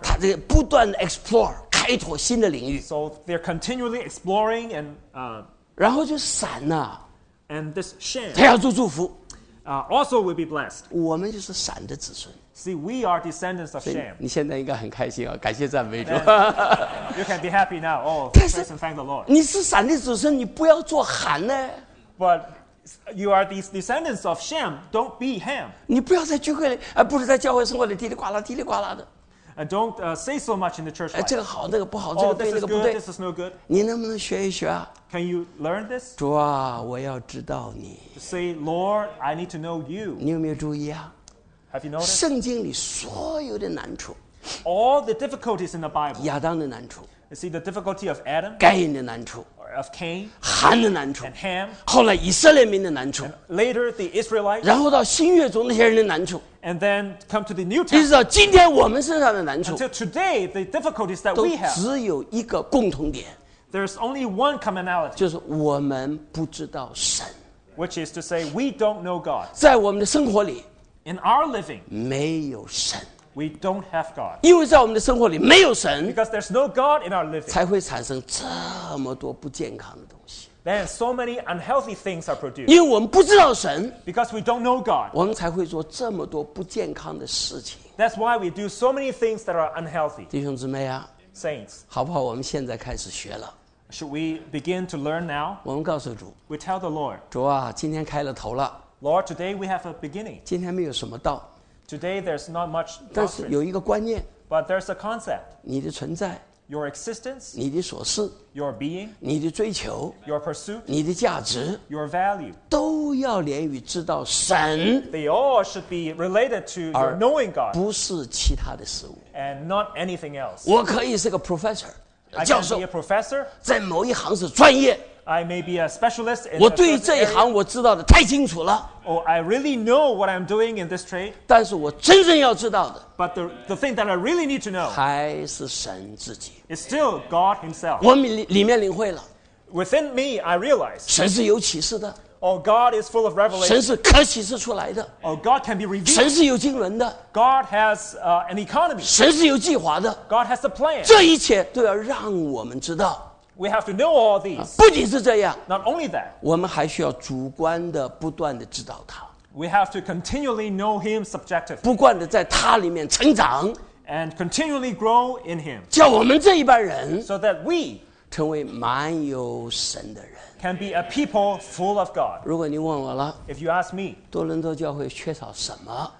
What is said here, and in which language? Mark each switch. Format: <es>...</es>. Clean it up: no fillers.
<zh>他这个不断 explore, 开拓新的领域。</zh> <en>So they're continually exploring and</en> <zh>然后就闪呢。</zh> <en>And this Shem.</en> <zh>他要做祝福。</zh> <en>also will be blessed.</en> <zh>我们就是闪的子孙。</zh> <en>See, we are descendants of Shem.</en> <zh>你现在应该很开心啊，感谢赞美主。</zh> <en>You can be happy now. Oh, praise and thank the Lord.</en> <zh>你是闪的子孙，你不要做寒呢。</zh> <en>But you are these descendants of Shem. Don't be Ham.</en> <zh>你不要在聚会里，不是在教会生活里嘀哩呱啦嘀哩呱啦的。</zh> <en>And don't say so much in the church.</en> <zh>这个好，那个不好，这个对，那个不对。</zh> <en>This is no good.</en> <zh>你能不能学一学啊？</zh> <en>Can you learn this?</en> <zh>主啊，我要知道你。</zh> <en>Say, Lord, I need to know you.</en> <zh>你有没有注意啊？</zh> <en>Have you noticed?</en> <zh>圣经里所有的难处，</zh> <en>all the difficulties in the Bible，</en> <zh>亚当的难处，</zh> <en>you see the difficulty of Adam，</en> <zh>该隐的难处，</zh> <en>or of Cain，</en> <zh>韩的难处，</zh> <en>and Ham，</en> <zh>后来以色列民的难处，</zh> <en>and later the Israelites，</en> <zh>然后到新约中那些人的难处，</zh> <en>and then come to the New Testament，</en> <zh>一直到今天我们身上的难处，</zh> <en>until today the difficulties that we have，</en> <zh>都只有一个共同点，</zh> <en>there's only one commonality，</en> <zh>就是我们不知道神，</zh> <en>which is to say we don't know God，</en> <zh>在我们的生活里。</zh> <en>In our living,</en> <zh>没有神</zh> <en>we don't have God.</en> <zh>因为在我们的生活里没有神</zh> <en>because there's no God in our living,</en> <zh>才会产生这么多不健康的东西</zh> <en>then so many unhealthy things are produced.</en> <zh>因为我们不知道神</zh> <en>because we don't know God.</en> <zh>我们才会做这么多不健康的事情</zh> <en>that's why we do so many things that are unhealthy.</en> <zh>弟兄姊妹啊</zh> <en>saints,</en> <zh>好不好我们现在开始学了</zh> <en>should we begin to learn now?</en> <zh>我们告诉主</zh> <en>we tell the Lord,</en> <zh>主啊今天开了头了</zh> <en>Lord, today we have a beginning.</en> <zh>今天没有什么道。</zh> <en>Today there's not much doctrine.</en> <zh>但是有一个观念。</zh> <en>But there's a concept.</en> <zh>你的存在。</zh> <en>Your existence.</en> <zh>你的所事。</zh> <en>Your being.</en> <zh>你的追求。</zh> <en>Your pursuit.</en> <zh>你的价值。</zh> <en>Your value.</en> <zh>都要连于知道神。</zh> <en>They all should be related to your knowing God.</en> <zh>不是其他的事物。</zh> <en>And not anything else.</en> <zh>我可以是个 professor, 教授。</zh> <en>I can be a professor.</en> <zh>在某一行是专业。</zh> <en>I may be a specialist in</en> <zh>我对这一行我知道的太清楚了。</zh> <en>Oh, I really know what I'm doing in this trade.</en> <zh>但是我真正要知道的。</zh> <en>But the thing that I really need to know.</en> <zh>还是神自己。</zh> <en>It's still God himself.</en> <zh>我里面领会了。</zh> <en>Within me, I realize.</en> <zh>神是有启示的。</zh> <en>Oh, God is full of revelation.</en> <zh>神是可启示出来的。</zh> <en>Oh, God can be revealed.</en> <zh>神是有经纶的。</zh> <en>God has an economy.</en> <zh>神是有计划的。</zh> <en>God has a plan.</en> <zh>这一切都要让我们知道。</zh> <en>We have to know all these.</en> <zh>不仅是这样</zh> <en>Not only that.</en> <zh>我们还需要主观的不断的知道他</zh> <en>We have to continually know him subjectively.</en> <zh>不断的在他里面成长</zh> <en>And continually grow in him.</en> <zh>叫我们这一班人</zh> <en>So that we</en> <zh>成为满有神的人</zh> <en>Can be a people full of God.</en> <zh>如果你问我了</zh> <en>If you ask me.</en> <zh>多伦多教会缺少什么</zh>